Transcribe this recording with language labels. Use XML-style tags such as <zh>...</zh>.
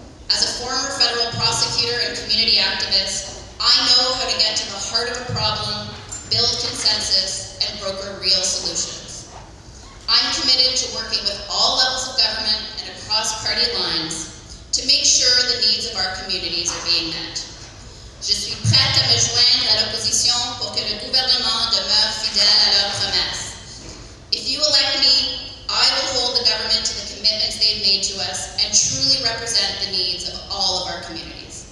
<en>As a former federal prosecutor and community activist, I know how to get to the heart of a problem, build consensus, and broker real solutions. I'm committed to working with all levels of government and across party lines to make sure the needs of our communities are being met.</en> <fr>Je suis prête à me joindre à l'opposition pour que le gouvernement demeure fidèle à leurs promesses.</fr> <en>If you elect me, I will hold the government to the commitments they've made to us and truly represent the needs of all of our communities.</en>